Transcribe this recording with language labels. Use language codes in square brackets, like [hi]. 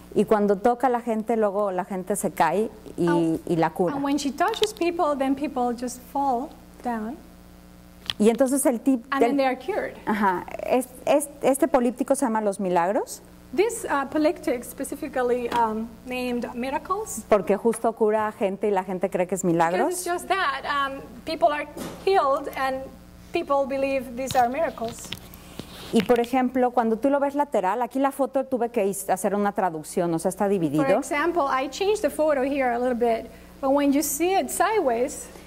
[es] Y cuando toca la gente, luego la gente se cae y la cura. [en] And when she touches people, then people just fall down. [es] Y entonces el tip. [en] And then they are cured. [es] Ajá. Este políptico se llama Los Milagros. [en] This polyptych specifically named Miracles. [es] Porque justo cura a gente y la gente cree que es milagros. [en] Because it's just that people are healed and people believe these are miracles. [es] Y por ejemplo, cuando tú lo ves lateral, aquí la foto tuve que hacer una traducción, o sea, está dividido. [en] For example, I changed the photo here a little bit, but when you see it sideways.